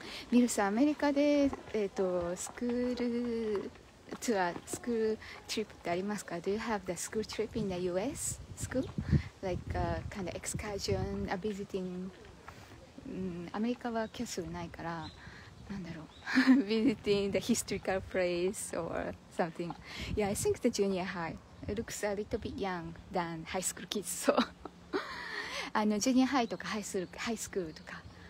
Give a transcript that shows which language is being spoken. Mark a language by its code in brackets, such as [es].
[ja] ミルさん、アメリカで、スクールツアー、スクールトリップってありますか？ [en] Do you have the school trip in the US school? Like a kind of excursion, a visiting...、 [ja] アメリカはキャッスルないから、なんだろう。 [en] visiting the historical place or something. Yeah, I think the junior high、It、looks a little bit young than high school kids, so... [ja] ジュニアハイとかハイスクールとか。